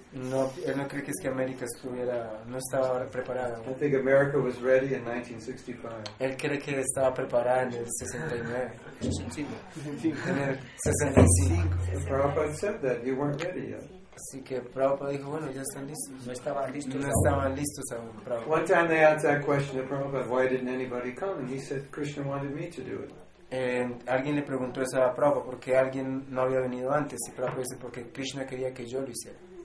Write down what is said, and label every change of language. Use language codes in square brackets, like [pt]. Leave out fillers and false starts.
[es] No, él no cree que es que América estuviera, no estaba preparada. [en] I think America was ready in 1965. [es] Él cree que estaba preparada en el 69. [en] Prabhupada said that you weren't ready yet. [es] Así que Prabhupada dijo, bueno, ya están listos. No estaban listos. No estaban listos aún, Prabhupada. [en] One time they asked that question to Prabhupada, why didn't anybody come? And he said, Krishna wanted me to do it. [es] Alguien le preguntó eso a Prabhupada porque alguien no había venido antes y Prabhupada dice porque Krishna quería que yo lo hiciera.